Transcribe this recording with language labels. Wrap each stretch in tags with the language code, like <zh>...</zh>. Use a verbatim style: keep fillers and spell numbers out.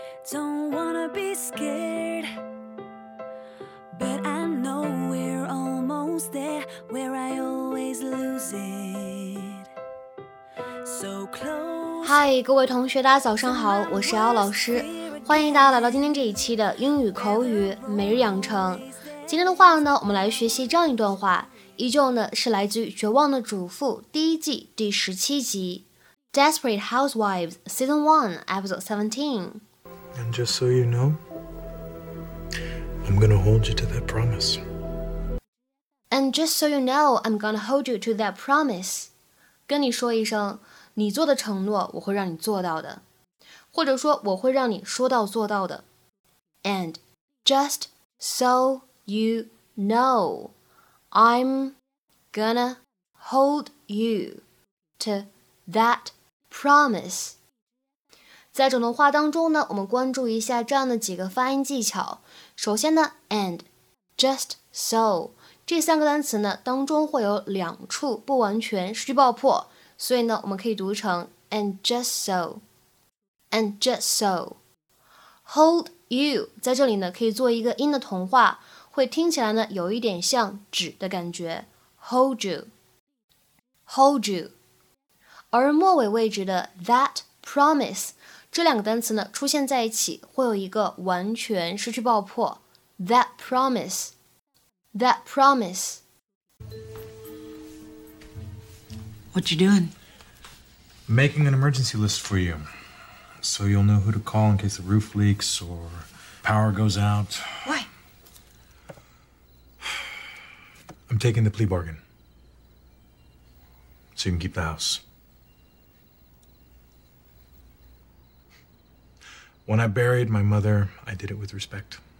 <en>Don't wanna be scared, but I know we're almost there, where I always lose it. So close.</en> <zh>嗨，各位同学，大家早上好，我是姚老师，欢迎大家来到今天这一期的英语口语每日养成。今天的话呢，我们来学习这样一段话，依旧呢是来自于《绝望的主妇》第一季第十七集，《Desperate Housewives Season One Episode Seventeen》。</zh> <en>And just so you know, I'm gonna hold you to that promise. And just so you know, I'm gonna hold you to that promise.</en> <zh>跟你说一声，你做的承诺我会让你做到的，或者说我会让你说到做到的。</zh> <en>And just so you know, I'm gonna hold you to that promise.</en> <zh>在整段话当中呢，我们关注一下这样的几个发音技巧。首先呢 ，and、just so 这三个单词呢当中会有两处不完全失去爆破，所以呢我们可以读成</zh> <en>and just so, and just so,</en> <zh>hold you 在这里呢可以做一个音的同化，会听起来呢有一点像纸的感觉 ，</zh> <en>hold you, hold you，</en> <zh>而末尾位置的 that promise。这两个单词呢出现在一起会有一个完全失去爆破</zh> <en>That promise That promise What you doing? Making an emergency list for you So you'll know who to call in case the roof leaks or power goes out Why? I'm taking the plea bargain So you can keep the house When I buried my mother, I did it with respect.</en>